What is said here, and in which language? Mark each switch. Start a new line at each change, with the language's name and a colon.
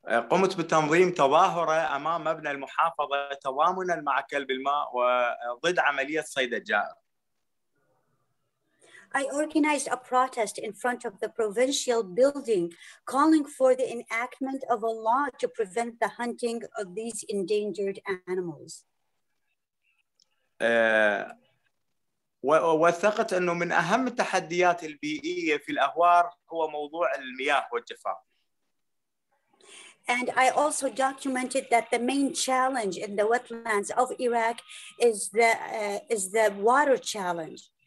Arabic: قمت بتنظيم تظاهرة أمام مبنى المحافظة تضامنا مع كلب الماء وضد عملية صيد الجائر.
English: I organized a protest in front of the provincial building calling for the enactment of a law to prevent the hunting of these endangered animals.
Arabic: ووثقت أنه من أهم التحديات البيئية في الأهوار هو موضوع المياه والجفاف.
English: And I also documented that the main challenge in the wetlands of Iraq is the water challenge.